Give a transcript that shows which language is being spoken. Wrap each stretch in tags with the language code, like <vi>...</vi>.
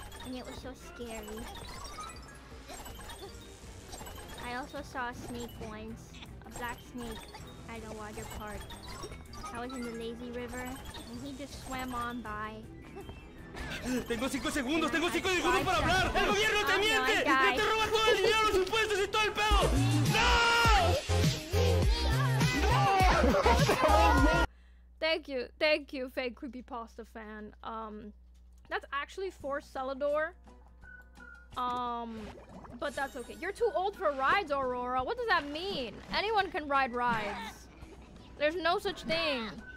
<en>And it was so scary. I also saw a snake once. A black snake at a water park. I was in the lazy river, and he just swam on by.</en> <es>Tengo 5 segundos, tengo 5 segundos para hablar! ¡El gobierno te miente! ¡Te roba todo el dinero, los impuestos y todo el pedo! ¡No!</es> <en>Thank you, fake creepypasta fan. That's actually for Celador. But that's okay. You're too old for rides, Aurora. What does that mean? Anyone can ride rides. There's no such thing.</en>